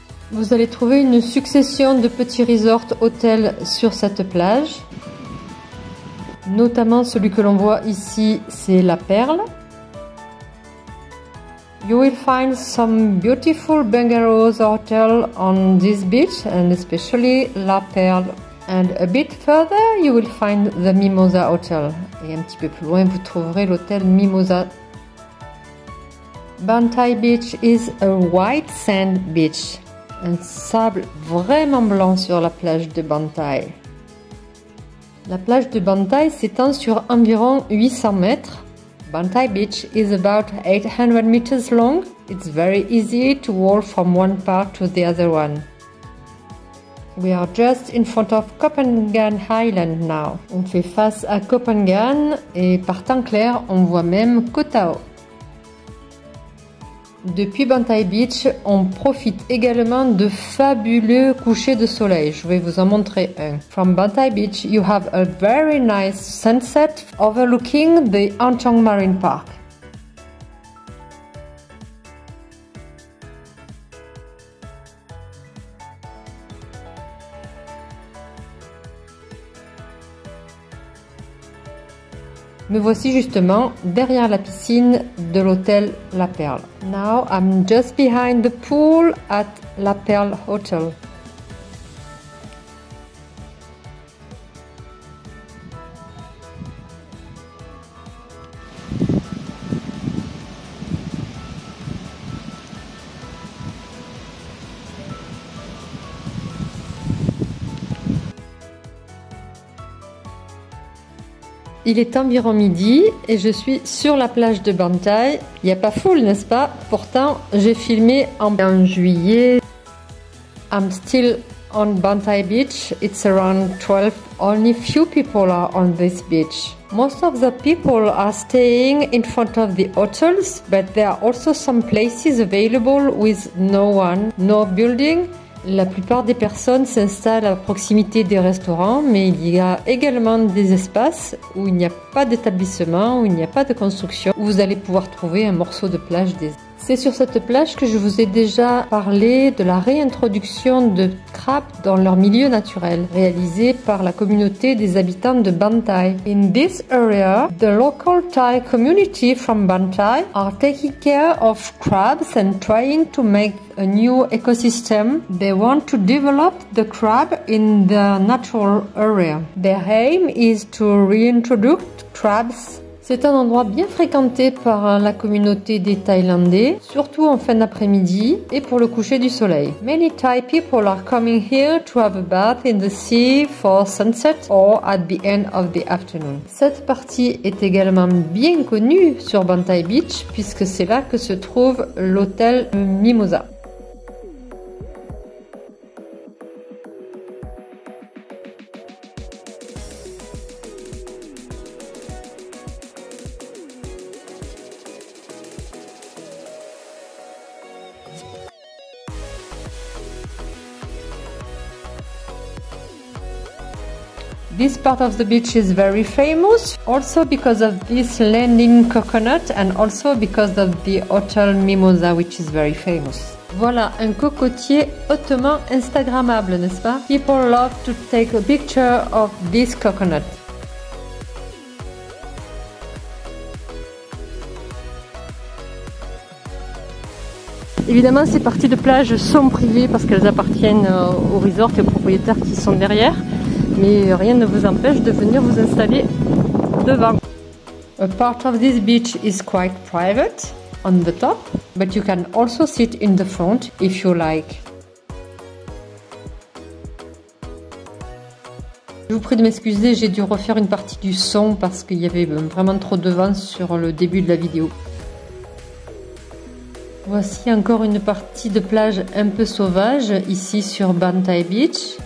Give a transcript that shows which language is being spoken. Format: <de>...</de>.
<fr>Vous allez trouver une succession de petits resorts hôtels sur cette plage. Notamment celui que l'on voit ici, c'est la Perle.</fr> <en>You will find some beautiful bungalows hotel on this beach and especially la Perle. And a bit further, you will find the Mimosa hotel.</en> <fr>Et un petit peu plus loin, vous trouverez l'hôtel Mimosa.</fr> <en>Ban Tai Beach is a white sand beach.</en> <fr>Un sable vraiment blanc sur la plage de Ban Tai. La plage de Ban Tai s'étend sur environ 800 mètres.</fr> <en>Ban Tai Beach is about 800 meters long. It's very easy to walk from one part to the other one. We are just in front of Copenhagen Island now.</en> <fr>On fait face à Copenhagen et par temps clair, on voit même Koh Tao. Depuis Ban Tai Beach, on profite également de fabuleux couchers de soleil. Je vais vous en montrer un.</fr> <en>From Ban Tai Beach, you have a very nice sunset overlooking the Anchong Marine Park.</en> <fr>Me voici justement derrière la piscine de l'hôtel La Perle.</fr> <en>Now I'm just behind the pool at La Perle Hotel.</en> <fr>Il est environ midi et je suis sur la plage de Ban Tai. Il n'y a pas foule, n'est-ce pas? Pourtant, j'ai filmé en juillet.</fr> <en>I'm still on Ban Tai Beach. It's around 12. Only few people are on this beach. Most of the people are staying in front of the hotels, but there are also some places available with no one, no building.</en> <fr>La plupart des personnes s'installent à proximité des restaurants, mais il y a également des espaces où il n'y a pas d'établissement, où il n'y a pas de construction, où vous allez pouvoir trouver un morceau de plage. C'est sur cette plage que je vous ai déjà parlé de la réintroduction de crabes dans leur milieu naturel, réalisé par la communauté des habitants de Ban Tai.</fr> <en>In this area, the local Thai community from Ban Tai are taking care of crabs and trying to make a new ecosystem. They want to develop the crab in the natural area. Their aim is to reintroduce crabs.</en> <fr>C'est un endroit bien fréquenté par la communauté des Thaïlandais, surtout en fin d'après-midi et pour le coucher du soleil.</fr> <en>Many Thai people are coming here to have a bath in the sea for sunset or at the end of the afternoon.</en> <fr>Cette partie est également bien connue sur Ban Tai Beach puisque c'est là que se trouve l'hôtel Mimosa.</fr> <en>This part of the beach is very famous also because of this landing coconut and also because of the hotel Mimosa which is very famous.</en> <fr>Voilà un cocotier hautement instagrammable, n'est-ce pas?</fr> <en>People love to take a picture of this coconut.</en> <fr>Évidemment, ces parties de plage sont privées parce qu'elles appartiennent au resort et aux propriétaires qui sont derrière. Mais rien ne vous empêche de venir vous installer devant.</fr> <en>A part of this beach is quite private on the top, but you can also sit in the front if you like.</en> <fr>Je vous prie de m'excuser, j'ai dû refaire une partie du son parce qu'il y avait vraiment trop de vent sur le début de la vidéo. Voici encore une partie de plage un peu sauvage ici sur Ban Tai Beach.</fr>